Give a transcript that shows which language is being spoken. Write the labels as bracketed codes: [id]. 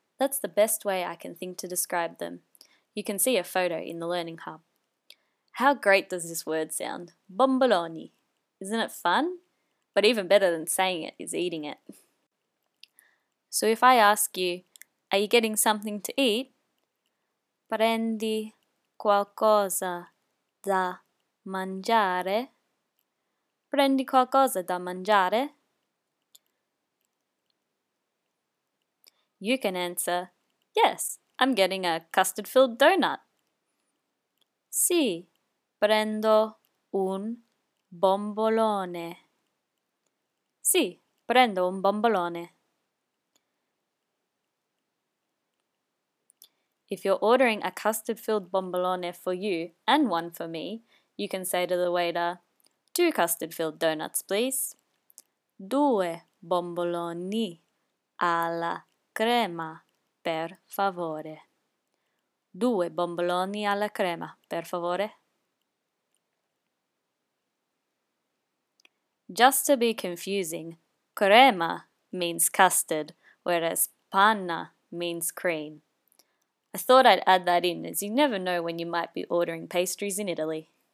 [en] That's the best way I can think to describe them. You can see a photo in the Learning Hub. How great does this word sound? Bomboloni. Isn't it fun? But even better than saying it is eating it. So if I ask you, are you getting something to eat? [it] Prendi qualcosa da mangiare. Prendi qualcosa da mangiare. [en] You can answer, yes, I'm getting a custard-filled donut. [it] Sì, prendo un bombolone. Sì, prendo un bombolone. [en] If you're ordering a custard-filled bombolone for you and one for me, you can say to the waiter, 2 custard-filled donuts, please. [it] 2 bomboloni alla crema, per favore. 2 bomboloni alla crema, per favore. [en] Just to be confusing, crema means custard, whereas panna means cream. I thought I'd add that in, as you never know when you might be ordering pastries in Italy.